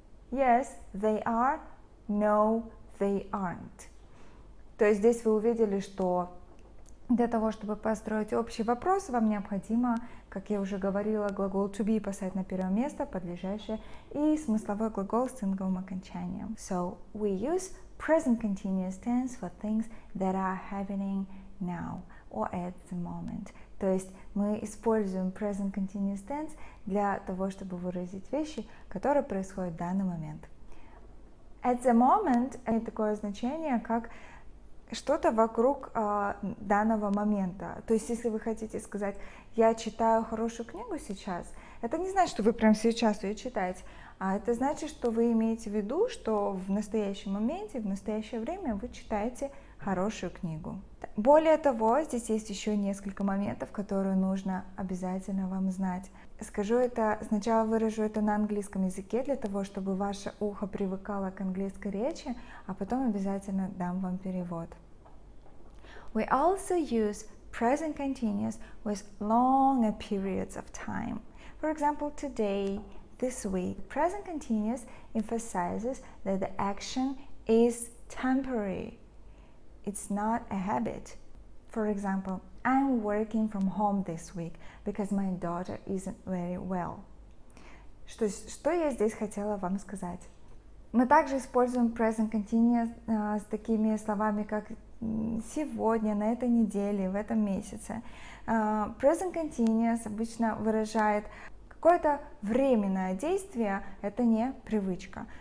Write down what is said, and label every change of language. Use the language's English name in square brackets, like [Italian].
[English] Yes, they are. No, they aren't. [Russian] То есть здесь вы увидели, что для того, чтобы построить общий вопрос, вам необходимо, как я уже говорила, глагол to be поставить на первое место, подлежащее, и смысловой глагол с цинговым окончанием. [English] So we use present continuous tense for things that are happening now or at the moment. [Russian] То есть мы используем present continuous tense для того, чтобы выразить вещи, которые происходят в данный момент. [English] At the moment [Russian] — это такое значение, как что-то вокруг данного момента. То есть если вы хотите сказать «я читаю хорошую книгу сейчас», это не значит, что вы прямо сейчас ее читаете, а это значит, что вы имеете в виду, что в настоящем моменте, в настоящее время вы читаете хорошую книгу. Более того, здесь есть еще несколько моментов, которые нужно обязательно вам знать. Скажу это, сначала выражу это на английском языке, для того, чтобы ваше ухо привыкало к английской речи, а потом обязательно дам вам перевод. [English] We also use present continuous with longer periods of time. For example, today, this week. Present continuous emphasizes that the action is temporary. It's not a habit. For example, I'm working from home this week because my daughter isn't very well. [Russian] Что я здесь хотела вам сказать? Мы также используем present continuous с такими словами, как сегодня, на этой неделе, в этом месяце. Present continuous обычно выражает какое-то временное действие, это не привычка.